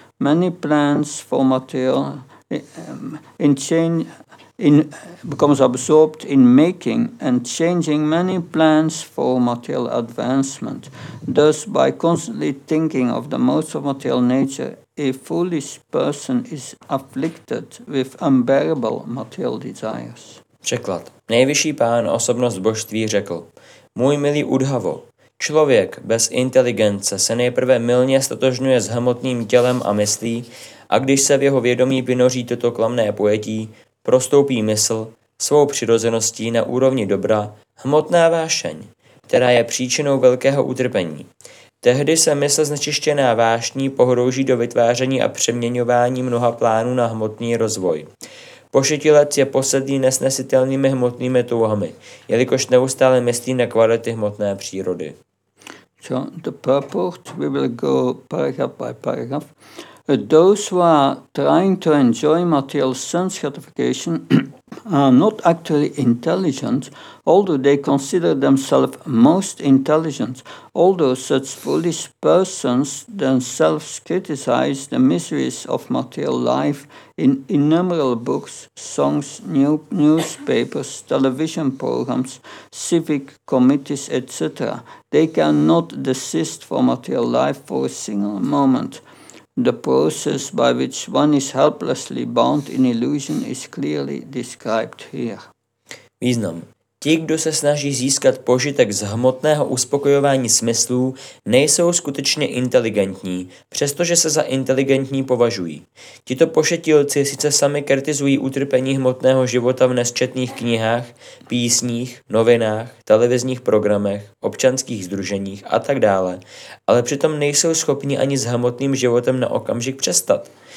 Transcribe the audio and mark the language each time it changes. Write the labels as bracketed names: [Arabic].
[English] Many plans for material becomes absorbed in making and changing many plans for material advancement. Thus, by constantly thinking of the modes of material nature, a foolish person is afflicted with unbearable material desires. [Czech] Překlad. Nejvyšší pán, osobnost božství, řekl: můj milý Uddhavo, člověk bez inteligence se nejprve mylně stotožňuje s hmotným tělem a myslí, a když se v jeho vědomí vynoří toto klamné pojetí, prostoupí mysl svou přirozeností na úrovni dobra hmotná vášeň, která je příčinou velkého utrpení. Tehdy se mysl znečištěná vášní pohrouží do vytváření a přeměňování mnoha plánů na hmotný rozvoj. Pošetilec je posedlý nesnesitelnými hmotnými touhami, jelikož neustále myslí na kvality hmotné přírody. [English] So the purport, we will go paragraph by paragraph. those who are trying to enjoy material sense gratification are not actually intelligent, although they consider themselves most intelligent. Although such foolish persons themselves criticize the miseries of material life in innumerable books, songs, newspapers, television programs, civic committees, etc., they cannot desist from material life for a single moment. The process by which one is helplessly bound in illusion is clearly described here. [Czech] Význam. Ti, kdo se snaží získat požitek z hmotného uspokojování smyslů, nejsou skutečně inteligentní, přestože se za inteligentní považují. Tito pošetilci sice sami kritizují utrpení hmotného života v nesčetných knihách, písních, novinách, televizních programech, občanských sdruženích a tak dále, ale přitom nejsou schopni ani s hmotným životem na okamžik přestat.